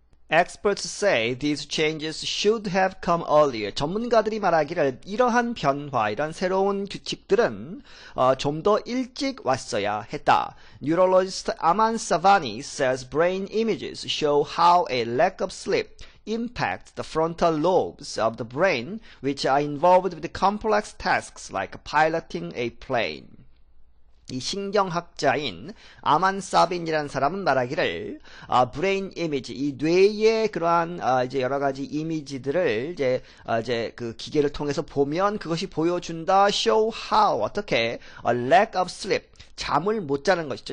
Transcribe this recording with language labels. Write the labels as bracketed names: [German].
[English] Experts say these changes should have come earlier. [Korean] 전문가들이 말하기를 이러한 변화, 이런 새로운 규칙들은 좀더 일찍 왔어야 했다. [English] Neurologist Aman Savani says brain images show how a lack of sleep impacts the frontal lobes of the brain, which are involved with complex tasks like piloting a plane. [Korean] 이 신경학자인 아만 사빈이라는 사람은 말하기를 브레인 이미지 이 뇌의 그러한 이제 여러 가지 이미지들을 이제 그 기계를 통해서 보면 그것이 보여준다 [English] show how [Korean] 어떻게 [English] a lack of sleep [Korean] 잠을 못 자는 것이죠.